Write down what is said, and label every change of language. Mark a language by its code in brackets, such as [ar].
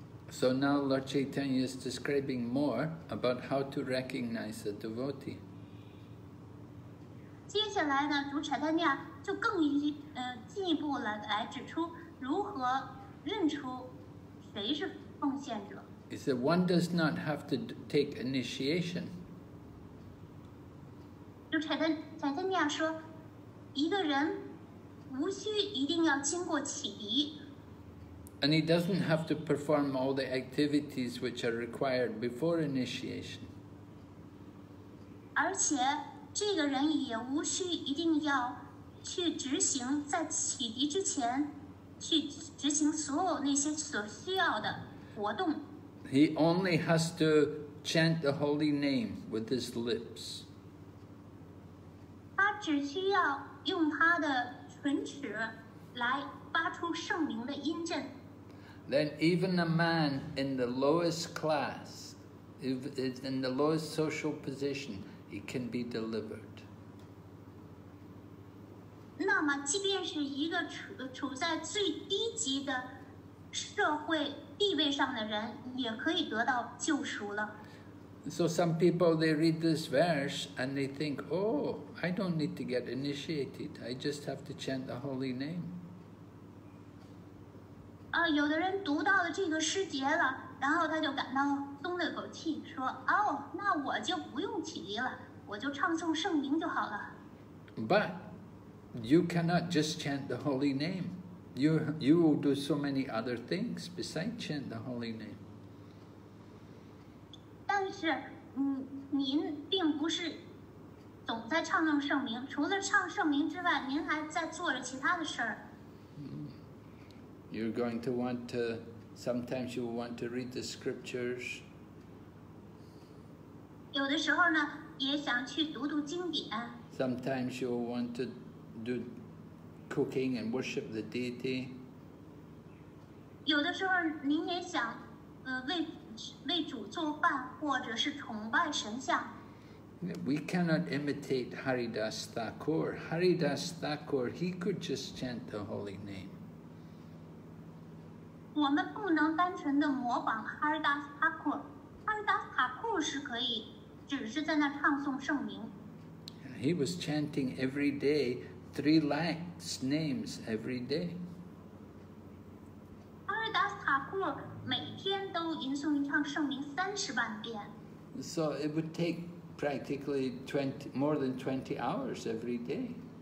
[en] So now Lord Chaitanya is describing more about how to recognize a devotee. [zh] 接下来呢, 主柴丹亚就更进一步来指出, 如何认出谁是奉献者。 [en] He said, one does not have to take initiation. [zh] 就柴德尼亚说，一个人无需一定要经过启迪。 [en] And he doesn't have to perform all the activities which are required before initiation. [zh] 而且这个人也无需一定要去执行在启迪之前去执行所有那些所需要的活动。 [en] He only has to chant the holy name with his lips. [zh] 他只需要用他的唇齿来发出圣灵的音阵。 [en] Then even a man in the lowest class, if it's in the lowest social position, he can be delivered. [zh] 那么即便是一个 处在最低级的社会地位上的人也可以得到救赎了。 [en] So some people, they read this verse and they think, oh, I don't need to get initiated. I just have to chant the holy name. [zh] 有的人读到了这个诗节了，然后他就感到松了口气，说：“哦，那我就不用起立了，我就唱诵圣名就好了。” [en] But you cannot just chant the holy name. You will do so many other things besides chant the holy name. [zh] 但是，您并不是总在唱诵圣名，除了唱圣名之外，您还在做着其他的事儿。 [en] You're going to want to, sometimes you will want to read the scriptures. [zh] 有的时候呢，也想去读读经典。 [en] Sometimes you will want to do cooking and worship the deity. [zh] 有的时候您也想为主做饭或者是崇拜神像。 [en] We cannot imitate Haridas Thakur. Haridas Thakur, he could just chant the holy name. [zh] 我们不能单纯的模仿哈尔达斯塔库，哈尔达斯塔库是可以，只是在那唱诵圣名。 [en] He was chanting every day three lakhs names every day. [zh] 哈尔达斯塔库每天都吟诵一唱圣名三十万遍。 [en] So it would take practically more than 20 hours every day.